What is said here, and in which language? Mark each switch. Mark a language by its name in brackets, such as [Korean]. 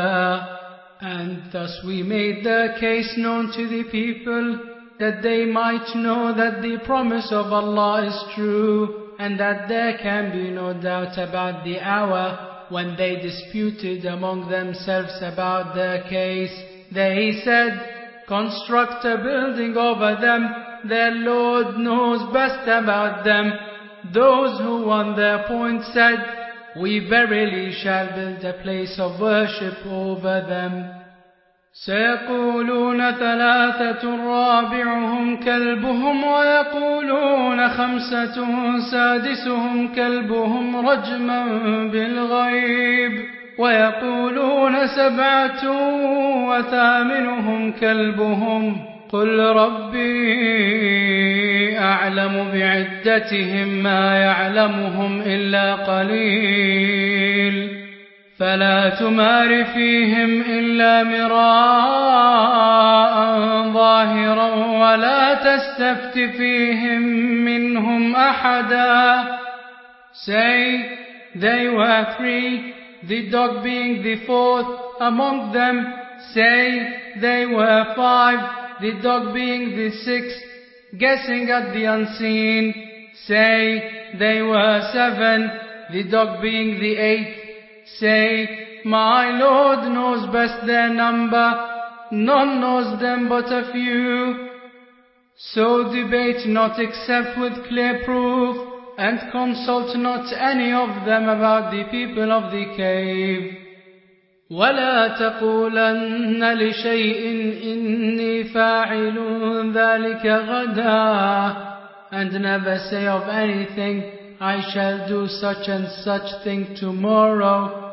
[English] And thus we made the case known to the people that they might know that the promise of Allah is true and that there can be no doubt about the hour when they disputed among themselves about their case. They said, construct a building over them, their Lord knows best about them. Those who won their point said, we verily shall build a place of worship over them. [Arabic] سيقولون ثلاثة رابعهم كلبهم ويقولون خمسة سادسهم كلبهم رجما بالغيب ويقولون سبعة وثامنهم كلبهم قل ربي أعلم بعدتهم ما يعلمهم إلا قليل فلا تمار فيهم إلا مراء ظاهرا ولا تستفت فيهم منهم أحدا. [English] Say, they were three, the dog being the fourth among them. Say, they were five, the dog being the sixth, guessing at the unseen. Say, they were seven, the dog being the eighth. Say, my Lord knows best their number, none knows them but a few. So debate not except with clear proof, and consult not any of them about the people of the cave. [Arabic] ولا تقولن لشيء إني فاعل ذلك غدا. [English] And never say of anything, I shall do such and such thing tomorrow.